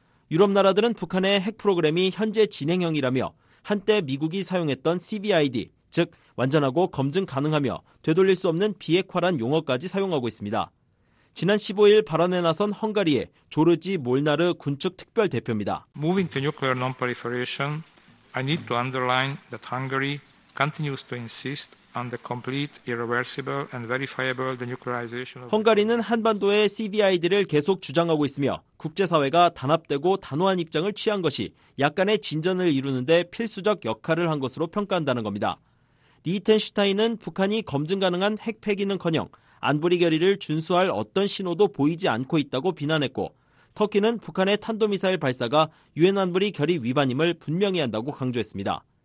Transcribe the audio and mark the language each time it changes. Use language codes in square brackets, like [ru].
[ko] 유럽 나라들은 북한의 핵 프로그램이 현재 진행형이라며 한때 미국이 사용했던 CBID, 즉 완전하고 검증 가능하며 되돌릴 수 없는 비핵화란 용어까지 사용하고 있습니다. 지난 15일 발언에 나선 헝가리의 조르지 몰나르 군축특별대표입니다. [en] Moving to nuclear non-proliferation, I need to underline that Hungary continues to insist on the complete, irreversible and verifiable denuclearization. [ko] 헝가리는 한반도의 CBID를 계속 주장하고 있으며 국제사회가 단합되고 단호한 입장을 취한 것이 약간의 진전을 이루는데 필수적 역할을 한 것으로 평가한다는 겁니다. 리히텐슈타인은 북한이 검증 가능한 핵폐기는커녕 안보리 결의를 준수할 어떤 신호도 보이지 않고 있다고 비난했고 터키는 북한의 탄도미사일 발사가 유엔 안보리 결의 위반임을 분명히 한다고 강조했습니다.